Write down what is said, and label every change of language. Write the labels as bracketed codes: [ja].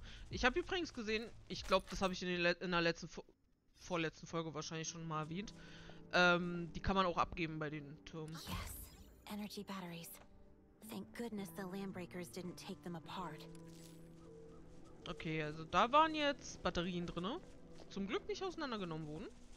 [de] Ich habe übrigens gesehen, ich glaube, das habe ich in der vorletzten Folge wahrscheinlich schon mal erwähnt. Die kann man auch abgeben bei den Türmen. [en] Yes, energy batteries. Thank goodness the Landbreakers didn't take them apart. [de] Okay, also da waren jetzt Batterien drin, die zum Glück nicht auseinandergenommen wurden.